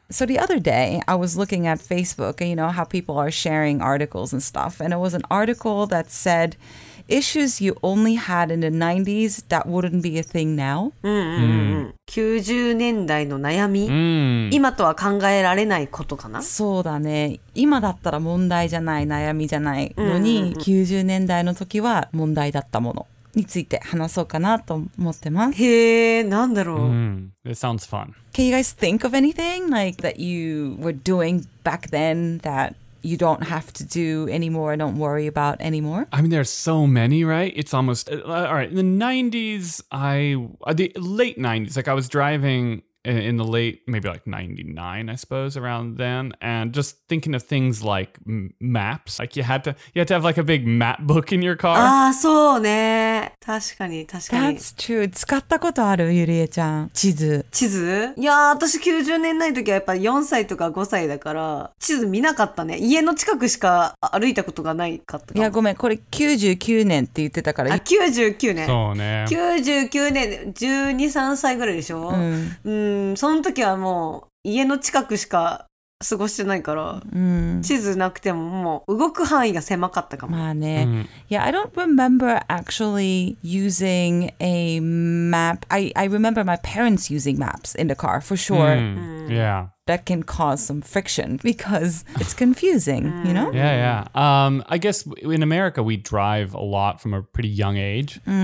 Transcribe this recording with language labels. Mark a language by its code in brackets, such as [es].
[en] So the other day, I was looking at Facebook, and you know how people are sharing articles and stuff, and it was an article that said, issues you only had in the 90s that wouldn't be a thing now. [ja] 90年代の悩み、今とは考えられないことかな。そうだね、今だったら問題じゃない、悩みじゃないのに、90年代の時は問題だったものについて話そうかなと思ってます。へえ、なんだろう。 [en] It sounds fun. Can you guys think of anything like that you were doing back then thatyou don't have to do anymore, don't worry about anymore? I mean, there's so many, right? It's almost... all right, in the 90s, the late 90s, like I was driving in the late, maybe like 99, I suppose, around then, and just thinking of things like maps. Like you had to have like a big map book in your car. [ja] Ah, so, ne. 確かに、確かに。 [en] That's true. [ja] 使ったことある、ゆりえちゃん。地図? いやー、私90年代の時はやっぱ4歳とか5歳だから、地図見なかったね。家の近くしか歩いたことがないかったか。いや、ごめん。これ99年って言ってたから。あ、99年。そうね。 99年、12、3歳ぐらいでしょ？その時はもう家の近くしか過ごしてないから、地図なくてももう動く範囲が狭かったかも。まあね。 [en] Yeah, I don't remember actually using a map. I remember my parents using maps in the car for sure. Yeah. That can cause some friction because it's confusing, you know? Yeah, yeah. I guess in America we drive a lot from a pretty young age.